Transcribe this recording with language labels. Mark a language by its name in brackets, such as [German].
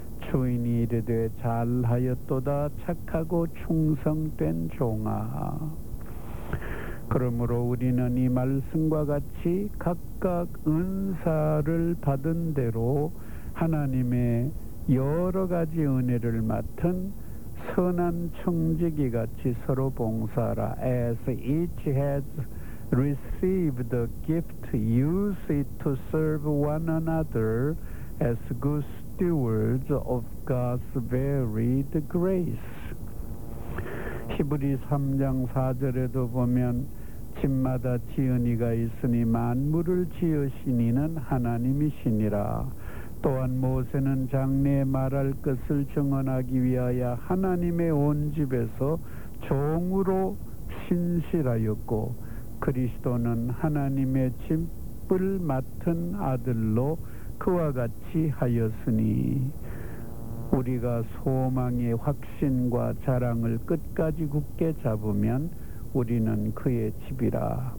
[Korean] 주인이 이르되 잘하였도다 착하고 충성된 종아. 그러므로 우리는 이 말씀과 같이 각각 은사를 받은 대로 하나님의 여러 가지 은혜를 맡은 선한 청지기 같이 서로 봉사하라. [English] As each has received the gift, use it to serve one another as good stewards of God's varied grace. [Korean] 히브리 3장 4절에도 보면 집마다 지은 이가 있으니 만물을 지으신 이는 하나님이시니라. 또한 모세는 장래에 말할 것을 증언하기 위하여 하나님의 온 집에서 종으로 신실하였고 그리스도는 하나님의 집을 맡은 아들로 그와 같이 하였으니 우리가 소망의 확신과 자랑을 끝까지 굳게 잡으면 우리는 그의 집이라.